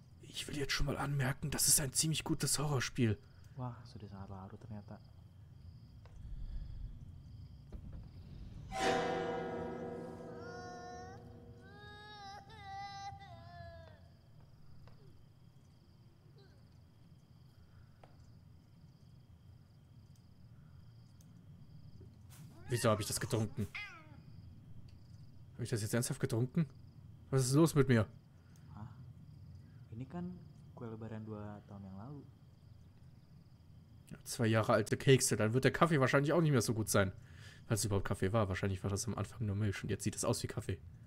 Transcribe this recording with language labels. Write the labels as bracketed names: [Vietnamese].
[German] Ich will jetzt schon mal anmerken, das ist ein ziemlich gutes Horrorspiel. [Indonesian] Wah, sudah sangat lalu ternyata. [German] Wieso habe ich das getrunken? Habe ich das jetzt ernsthaft getrunken? Was ist los mit mir? [Indonesian] Ini kan kue lebaran 2 tahun yang lalu. [German] 2 Jahre alte Kekse, dann wird der Kaffee wahrscheinlich auch nicht mehr so gut sein. Falls es überhaupt Kaffee war, wahrscheinlich war das am Anfang nur Milch und jetzt sieht es aus wie Kaffee.